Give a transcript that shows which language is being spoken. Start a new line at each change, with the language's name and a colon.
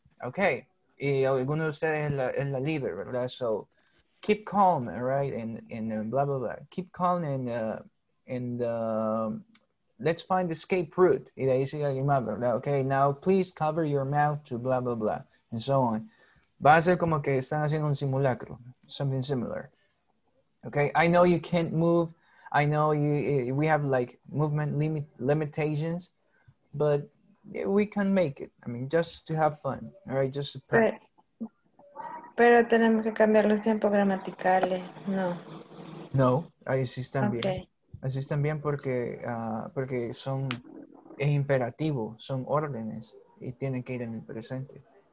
Spanish: Okay, y alguno de ustedes es la líder, ¿verdad?
English: So keep calm, right? And blah blah blah. Keep calm and let's find the escape route.
Spanish: Y de ahí sigue alguien más, ¿verdad?
English: Okay, now please cover your mouth to blah blah blah and so on.
Spanish: Va a ser como que están haciendo un simulacro,
English: something similar. Okay, I know you can't move. I know we have like movement limitations, but we can make it. I mean, just to have fun, all right? Just to practice.
Spanish: Pero tenemos que cambiar los tiempos gramaticales, no. No, así están bien. Así están bien porque son es imperativo, son órdenes y tienen que ir en el presente.